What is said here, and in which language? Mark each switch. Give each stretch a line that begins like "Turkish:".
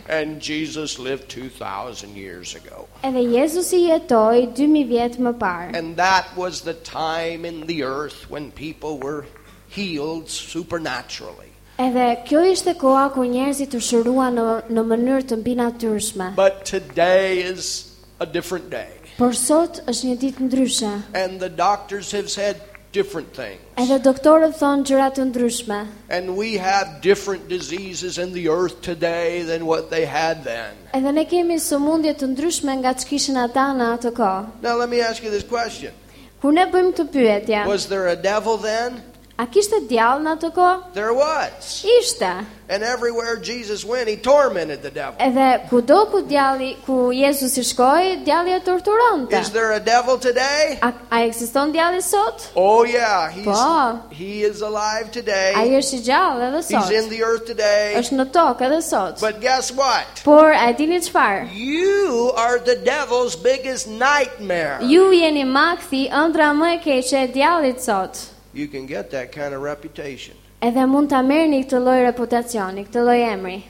English: And Jesus lived 2,000 years ago.
Albanian: Edhe Jezusi jetoi 2000 vjet më parë.
English: And that was the time in the earth when people were healed supernaturally.
Albanian: Edhe kjo ishte koha kur njerëzit u shëruan në mënyrë të mbinatyrshme.
English: But today is a different day.
Albanian: Por sot është një ditë ndryshe.
English: And the doctors have said different things.
Albanian: Edhe doktorët thonë gjëra të ndryshme.
English: And we have different diseases in the earth today than what they had then.
Albanian: Edhe ne kemi sëmundje të ndryshme nga që kishin ata në atë kohë.
English: Now let me ask you this question.
Albanian: Kur ne bëjmë këtë pyetje.
English: Was there a devil then?
Albanian: A kishte djallë në atë kohë?
English: There was.
Albanian: Ishte.
English: And everywhere Jesus went, he tormented the devil.
Albanian: Edhe kudo ku djalli, ku Jezus i shkoi, djalli e torturonte.
English: Is there a devil today?
Albanian: A ekziston djalli sot?
English: Oh yeah, he is alive today.
Albanian: Ai është gjallë edhe sot.
English: He's in the earth today.
Albanian: Është në tokë edhe sot.
English: But guess what?
Albanian: Por a dini çfarë?
English: You are the devil's biggest nightmare.
Albanian: Ju jeni maksi ëndra më e keqe e djallit sot.
English: You can get that kind of reputation.
Albanian: Edhe mund ta merrni këtë lloj reputacioni, këtë lloj emri.